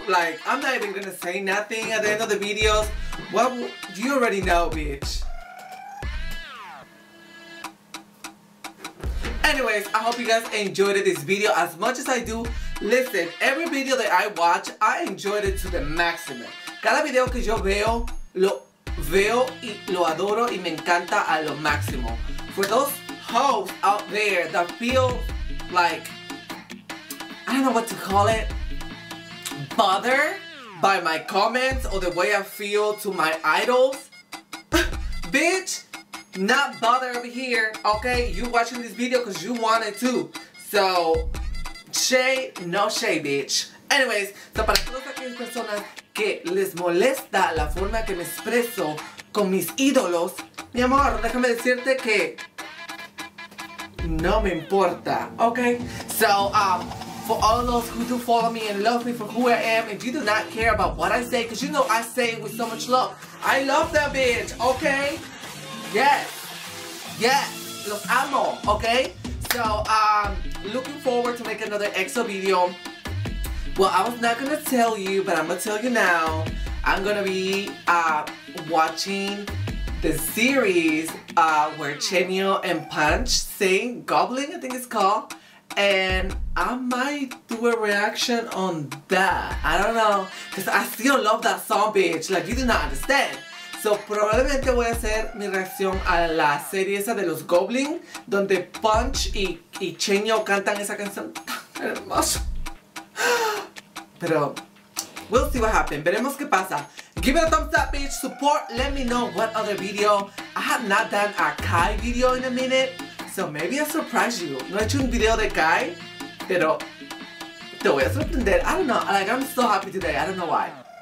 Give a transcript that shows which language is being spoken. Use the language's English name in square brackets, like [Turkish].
[English] Like, I'm not even gonna say nothing at the end of the videos. What, you already know, bitch. Anyways, I hope you guys enjoyed this video as much as I do. Listen, every video that I watch, I enjoyed it to the maximum. [Spanish] Cada video que yo veo, lo veo y lo adoro y me encanta a lo máximo. [English] For those hoes out there that feel like, I don't know what to call it, bothered by my comments or the way I feel to my idols, bitch, not bother over here, okay? You watching this video because you wanted to, so shade, no shade, bitch. Anyways, so [Spanish] para todas aquellas personas que les molesta la forma que me expreso con mis ídolos, mi amor, déjame decirte que no me importa, okay? [English] So, for all of those who do follow me and love me for who I am, if you do not care about what I say, because you know I say it with so much love. I love that bitch, okay? Yes. Yes. [Spanish] Los amo, [English] okay? So, looking forward to make another EXO video. Well, I was not going to tell you, but I'm going to tell you now. I'm going to be watching the series where Chenyo and Punch sing Goblin, I think it's called. And I might do a reaction on that. I don't know. Because I still love that song, bitch. Like, you do not understand. [Spanish] So, probablemente voy a hacer mi reacción a la serie esa de los Goblin, donde Punch y Chenyo cantan esa canción tan hermosa. Pero, [English] we'll see what happens. [Spanish] Veremos qué pasa. [English] Give it a thumbs up, bitch. Support. Let me know what other video. I have not done a Kai video in a minute. So, maybe I'll surprise you. [Spanish] No he hecho un video de Kai, pero te voy a sorprender. [English] I don't know. Like, I'm so happy today. I don't know why.